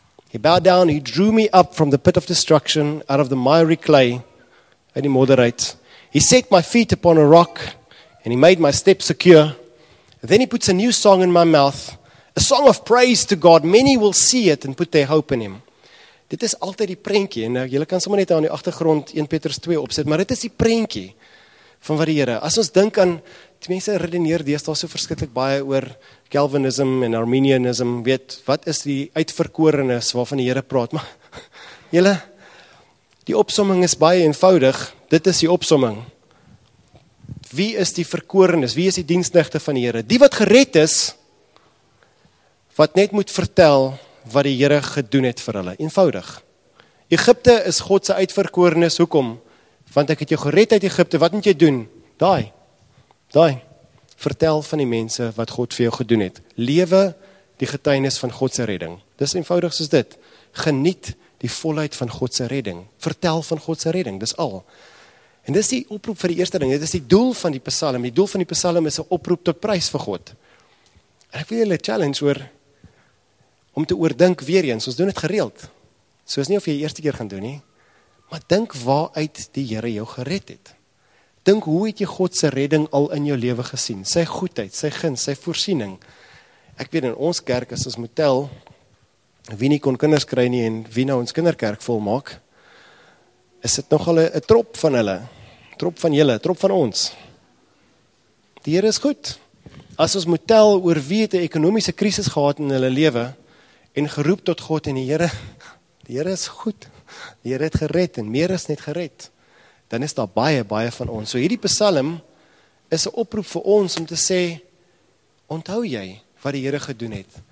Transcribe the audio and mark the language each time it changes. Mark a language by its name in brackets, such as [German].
[English] He bowed down, he drew me up from the pit of destruction, out of the miry clay, and he moderate. He set my feet upon a rock, and he made my steps secure. And then he puts a new song in my mouth, a song of praise to God. Many will see it and put their hope in him. [Afrikaans] Dit is altyd die prentjie, en julle kan sommer net aan die agtergrond 1 Petrus 2 opsit, maar dit is die prentjie van wat die Here. As ons dink aan, die mense redeneer deesdae so verskriklik baie oor Calvinism en Arminianism, weet, wat is die uitverkorenes waarvan die Here praat? Maar julle, die opsomming is baie eenvoudig. Dit is die opsomming. Wie is die verkorenes? Wie is die diensknegte van die Here? Die wat gered is, wat net moet vertel wat die Here gedoen het vir hulle. Eenvoudig. Egipte is God se uitverkorenes. Hoekom? Want ek het jou gered uit Egipte. Wat moet jy doen? Daai. Vertel van die mense wat God vir jou gedoen het. Lewe die getuienis van God se redding. Dis eenvoudig soos dit. Geniet die volheid van God se redding. Vertel van God se redding. Dis al. En dis die oproep vir die eerste ding. Dit is die doel van die Psalm. Die doel van die Psalm is 'n oproep tot prys vir God. En ek wil julle challenge oor om te oordink weer eens. Ons doen dit gereeld. So is nie of jy eerste keer gaan doen nie. Maar dink waaruit die Here jou gered het. Dink hoe het jy God se redding al in jou lewe gesien? Sy goedheid, sy guns, sy voorsiening. Ek weet in ons kerk as ons moet tel wie nie kon kinders kry nie en wie nou ons kinderkerk volmaak, is dit nogal 'n trop van hulle. Trop van julle, trop van ons. Die Here is goed. As ons moet tel oor wie het 'n ekonomiese krisis gehad in hulle lewe en geroep tot God en die Here Die Here is goed. Die Here het gered en meer as net gered. Dan is daar baie, baie van ons. So hierdie psalm is 'n oproep vir ons om te sê, onthou jy wat die Here gedoen het?